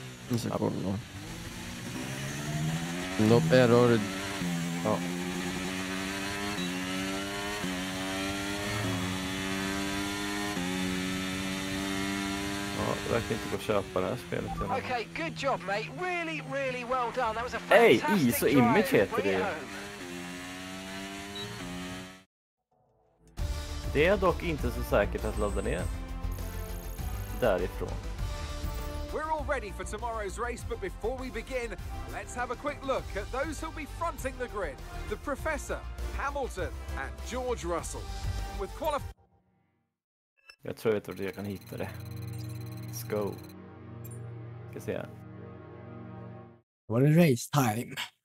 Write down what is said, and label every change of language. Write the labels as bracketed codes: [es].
[sv] En sekund då. Något error. Ja. Ja, det verkar inte gå att köpa det här spelet. [en] Okej, okay, good job mate. Really, really well done. That was a fantastic drive. Hey, ISO Image [sv] heter det. Det är dock inte så säkert att ladda ner därifrån. [en] We're all ready for tomorrow's race, but before we begin, let's have a quick look at those who'll be fronting the grid. The Professor, Hamilton and George Russell. [sv] With Jag tror att jag kan hitta det. Go. Ska se. Det var race time.